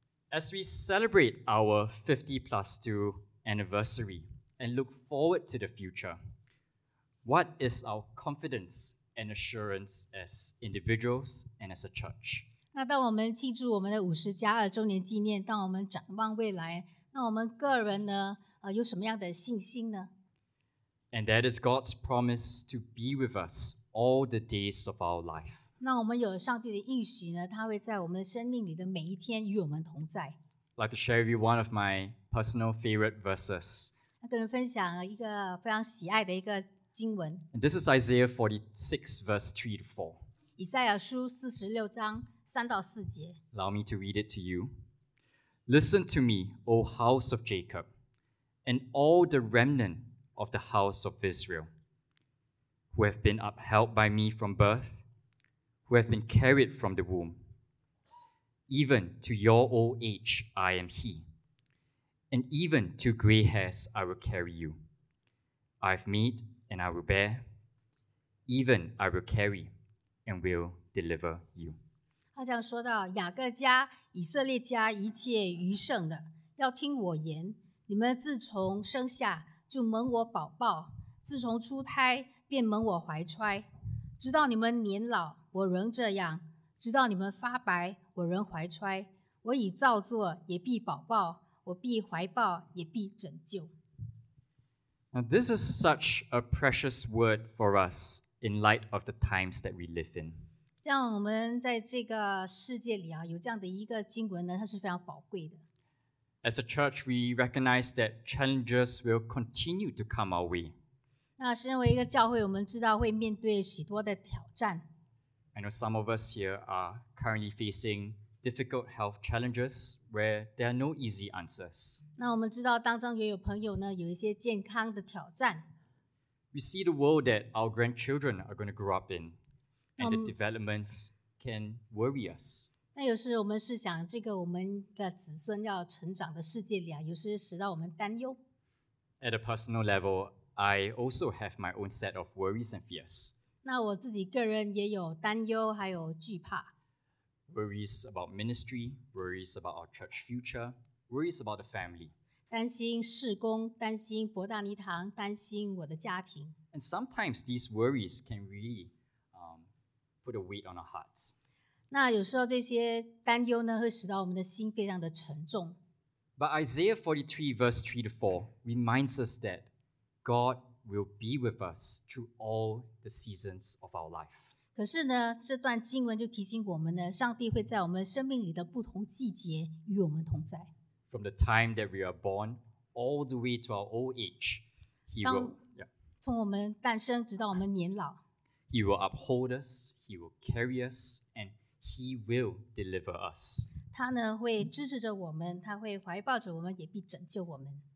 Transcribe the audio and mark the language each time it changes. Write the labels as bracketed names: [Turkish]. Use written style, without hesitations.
[English] As we celebrate our 50+2 anniversary and look forward to the future, what is our confidence and assurance as individuals and as a church? [Chinese] 那当我们庆祝我们的50+2周年纪念，当我们展望未来，那我们个人呢，有什么样的信心呢？ [English] And that is God's promise to be with us all the days of our life. [Chinese] 那我们有上帝的应许呢，他会在我们生命里的每一天与我们同在。 [English] I'd like to share with you one of my personal favorite verses. [Chinese] 那跟人分享一个非常喜爱的一个经文。 [English] And this is Isaiah 46 verse 3 to 4. [Chinese] 以赛亚书46章3到4节。 [English] Allow me to read it to you. Listen to me, O house of Jacob, and all the remnant of the house of Israel, who have been upheld by me from birth, who have been carried from the womb. Even to your old age I am he, and even to gray hairs I will carry you. I have made and I will bear, even I will carry and will deliver you. [Chinese] 他这样说到，雅各家，以色列家，一切余剩的，要听我言，你们自从生下就蒙我保抱，自从出胎便蒙我怀揣，直到你们年老，我仍这样；直到你们发白，我仍怀揣。我已造作，也必保抱；我必怀抱，也必拯救。 [English] Now, this is such a precious word for us in light of the times that we live in. [Chinese] 像我们在这个世界里啊，有这样的一个经文呢，它是非常宝贵的。 [English] As a church, we recognize that challenges will continue to come our way. [Chinese] 那身为一个教会，我们知道会面对许多的挑战。 [English] I know some of us here are currently facing difficult health challenges where there are no easy answers. [Chinese] 那我们知道当中也有朋友呢，有一些健康的挑战。 [English] We see the world that our grandchildren are going to grow up in, and the developments can worry us. [Chinese] 那有时我们是想这个我们的子孙要成长的世界里啊，有时使到我们担忧。 [English] At a personal level, I also have my own set of worries and fears. [Chinese] 那我自己个人也有担忧，还有惧怕。 [English] Worries about ministry, worries about our church future, worries about the family. [Chinese] 担心事工，担心伯大尼堂，担心我的家庭。 [English] And sometimes these worries can really, put a weight on our hearts. [Chinese] 那有时候这些担忧呢，会使到我们的心非常的沉重。 [English] But Isaiah 43 verse 3 to 4 reminds us that God will be with us through all the seasons of our life. [Chinese] 可是呢，这段经文就提醒我们呢，上帝会在我们生命里的不同季节与我们同在。 [English] From the time that we are born all the way to our old age, He will. [Chinese] 当从我们诞生直到我们年老。 [English] He will uphold us. He will carry us and. He will deliver us. [Chinese] 他呢会支持着我们，他会怀抱着我们，也必拯救我们。